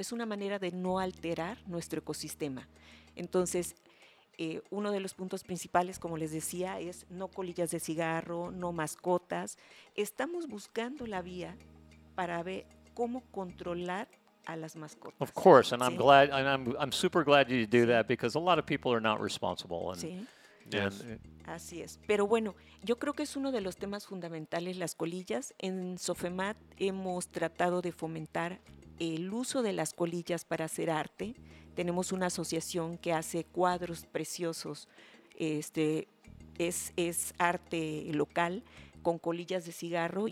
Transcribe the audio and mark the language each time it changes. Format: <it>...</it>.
<es>Es una manera de no alterar nuestro ecosistema. Entonces, uno de los puntos principales, como les decía, es no colillas de cigarro, no mascotas. Estamos buscando la vía para ver cómo controlar a las mascotas.</es> <en>Of course, and I'm glad, and I'm super glad you do that because a lot of people are not responsible. And,</en> <es>Así es. Pero bueno, yo creo que es uno de los temas fundamentales las colillas. En Sofemat hemos tratado de fomentar el uso de las colillas para hacer arte. Tenemos una asociación que hace cuadros preciosos, es arte local con colillas de cigarro.</es>